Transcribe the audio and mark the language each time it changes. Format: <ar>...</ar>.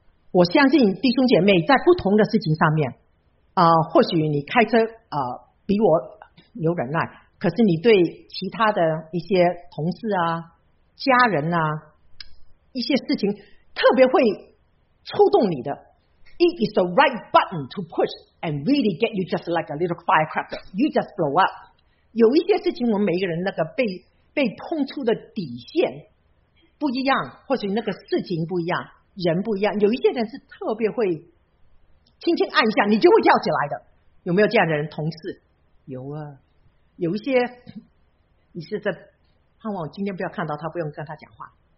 <zh>我相信弟兄姐妹在不同的事情上面，或许你开车比我有忍耐，可是你对其他的一些同事啊、家人啊一些事情，特别会触动你的。</zh> <en>It is the right button to push and really get you just like a little firecracker. You just blow up.</en> <zh>有一些事情，我们每一个人那个被碰触的底线不一样，或许那个事情不一样，人不一样。有一些人是特别会轻轻按一下，你就会跳起来的。有没有这样的人？同事有啊。有一些你是在盼望今天不要看到他，不用跟他讲话。</zh>